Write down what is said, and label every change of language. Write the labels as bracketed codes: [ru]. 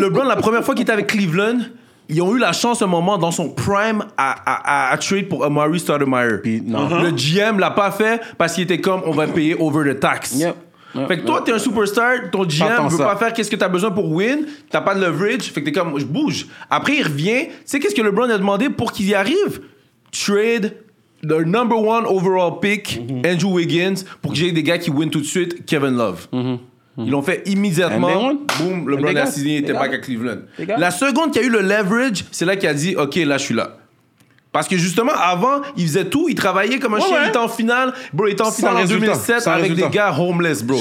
[fr] LeBron, la première fois qu'il était avec Cleveland, ils ont eu la chance un moment dans son prime à trade pour Amari Stoudemire. Puis, non. Uh-huh. Le GM l'a pas fait parce qu'il était comme on va payer [en] over the tax. Yep. [fr] Fait que toi, t'es un superstar, ton GM veut pas faire qu'est-ce que t'as besoin pour win, t'as pas de leverage, fait que t'es comme je bouge. Après, il revient. Tu sais, qu'est-ce que LeBron a demandé pour qu'il y arrive? [en] Trade the number one overall pick, mm-hmm. [fr] Andrew Wiggins, pour que j'ai des gars qui win tout de suite, Kevin Love. Mm-hmm. Ils l'ont fait immédiatement. Boom, LeBron a signé, était back à Cleveland. La seconde qui a eu le leverage, c'est là qu'il a dit OK, là, je suis là. Parce que justement, avant, il faisait tout, il travaillait comme un chien, il était en finale. Bro, il était en finale en 2007 avec des gars homeless, bro.